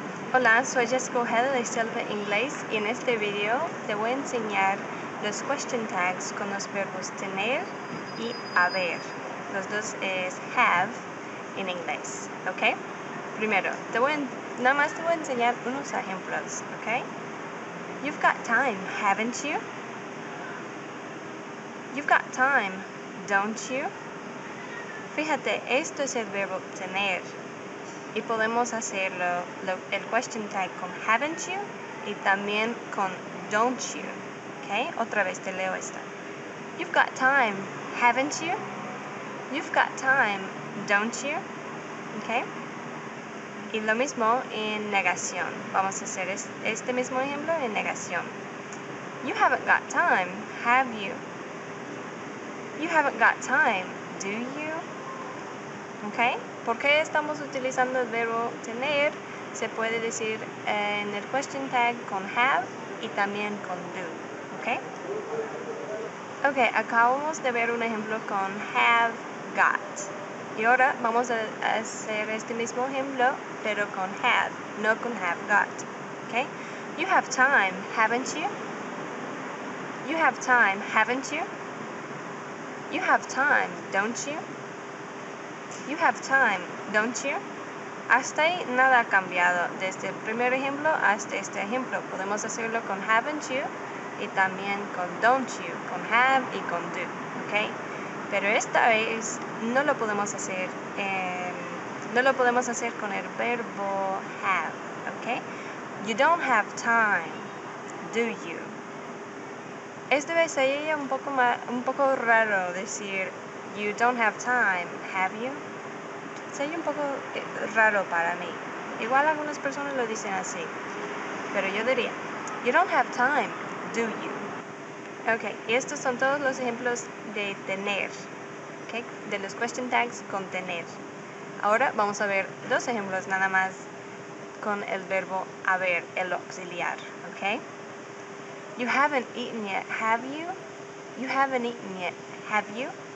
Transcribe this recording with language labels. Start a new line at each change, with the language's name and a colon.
Spanish: Hola, soy Jessica Ojeda de Selva Inglés y en este video te voy a enseñar los question tags con los verbos tener y haber. Los dos es have en inglés, ¿ok? Primero, nada más te voy a enseñar unos ejemplos, ¿ok?
English: You've got time, haven't you? You've got time, don't you?
Spanish: Fíjate, esto es el verbo tener. Y podemos hacerlo, el question tag con haven't you y también con don't you. ¿Ok? Otra vez te leo esta.
English: You've got time, haven't you? You've got time, don't you?
Spanish: ¿Ok? Y lo mismo en negación. Vamos a hacer este mismo ejemplo en negación.
English: You haven't got time, have you? You haven't got time, do you? ¿Ok?
Spanish: ¿Por qué estamos utilizando el verbo tener? Se puede decir en el question tag con have y también con do. ¿Ok? Ok, acabamos de ver un ejemplo con have got. Y ahora vamos a hacer este mismo ejemplo, pero con have, no con have got. ¿Ok?
English: You have time, haven't you? You have time, haven't you? You have time, don't you? You have time, don't you?
Spanish: Hasta ahí nada ha cambiado. Desde el primer ejemplo hasta este ejemplo. Podemos hacerlo con haven't you y también con don't you. Con have y con do. Okay? Pero esta vez no lo podemos hacer. No lo podemos hacer con el verbo have. Okay?
English: You don't have time, do you?
Spanish: Esta vez ahí es un poco raro decir
English: you don't have time, have you?
Spanish: Sería un poco raro para mí. Igual algunas personas lo dicen así. Pero yo diría,
English: you don't have time, do you?
Spanish: Ok, y estos son todos los ejemplos de tener. Okay, de los question tags con tener. Ahora vamos a ver dos ejemplos nada más con el verbo haber, el auxiliar. Ok.
English: You haven't eaten yet, have you? You haven't eaten yet, have you?